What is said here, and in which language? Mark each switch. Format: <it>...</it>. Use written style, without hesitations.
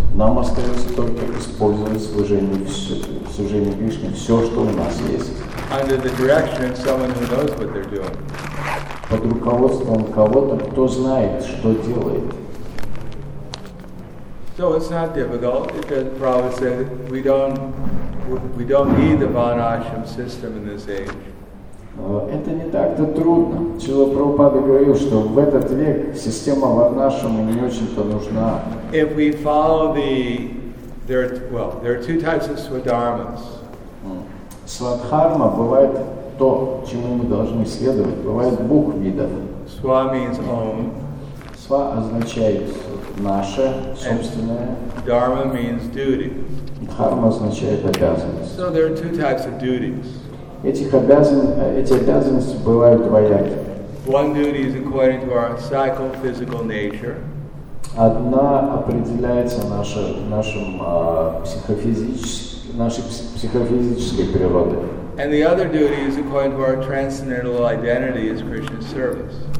<ru>Нам остается только использовать служение Кришне, все, что у нас есть.</ru> <en>Under the direction of someone who knows what they're doing.</en> <ru>Под руководством кого-то, кто знает, что делает.</ru> <en>So it's not difficult, because Prabhupada said we don't need the Vanashram system in this age.</en> <ru>Это не так-то трудно. Чила Прабхупада говорил, что в этот век система Варнашрама не очень-то нужна.</ru> <en>If we follow there are two types of свадхармас.</en> <ru>Свадхарма бывает то, чему мы должны следовать. Бывает двух видов.</ru> <en>Сва means own.</en> <ru>Сва означает наше, собственное.</ru> <en>Дхарма means duty.</en> <ru>Дхарма означает обязанность.</ru> <en>So there are two types of duties.</en> <ru>Эти обязанности бывают двояки.</ru> <en>One duty is according to our psycho-physical nature.</en> <ru>Одна определяется нашей психофизической природой.</ru> <en>And the other duty is according to our transcendental identity as Krishna's servant.</en>